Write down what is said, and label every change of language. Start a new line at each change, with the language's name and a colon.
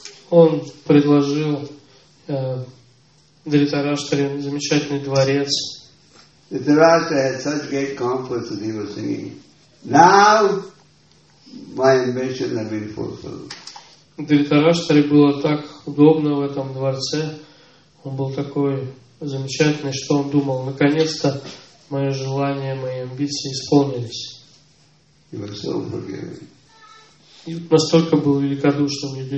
Russian: Он предложил Дхритараштре замечательный дворец.
English: Dhritarashtra had such great comfort that he was singing. Now my ambition has been fulfilled.
Russian: Dhritarashtra было так удобно в этом дворце. Он был такой замечательный, что он думал, наконец-то мои желания, мои амбиции исполнились. И настолько был великодушным, и для